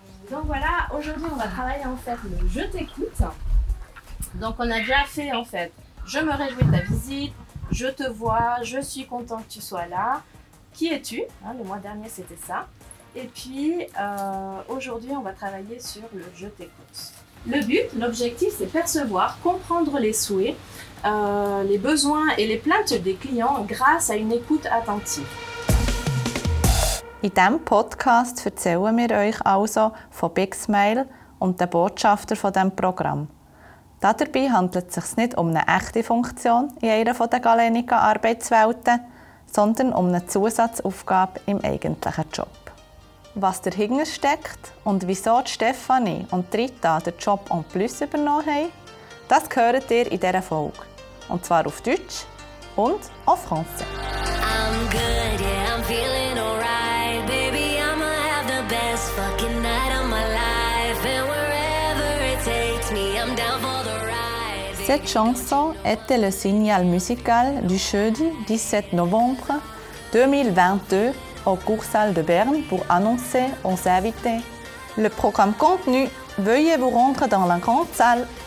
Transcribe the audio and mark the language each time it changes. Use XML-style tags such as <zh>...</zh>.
<fr>Donc voilà, aujourd'hui on va travailler en fait le je t'écoute. Donc on a déjà fait en fait je me réjouis de ta visite, je te vois, je suis content que tu sois là. Qui es-tu? Hein, le mois dernier c'était ça. Et puis aujourd'hui on va travailler sur le je t'écoute. Le but, l'objectif c'est percevoir, comprendre les souhaits, les besoins et les plaintes des clients grâce à une écoute attentive.</fr> <de>In diesem Podcast erzählen wir euch also von bigsmile und den Botschafter von diesem Programm. Dabei handelt es sich nicht um eine echte Funktion in einer von den Galenica-Arbeitswelten, sondern um eine Zusatzaufgabe im eigentlichen Job. Was dahinter steckt und wieso Stéphanie und Rita den Job</de> <fr>en plus</fr> <de>übernommen haben, das gehört ihr in dieser Folge. Und zwar auf Deutsch und auf Französisch.</de> <en>I'm good, yeah, I'm feeling alright. Baby, I'ma have the best fucking night of my life. And wherever it takes me, I'm down for the ride.</en> <fr>Cette chanson était le signal musical du jeudi 17 novembre 2022 au cours salle de Berne pour annoncer aux invités. Le programme contenu, veuillez vous rendre dans la grande salle.</fr>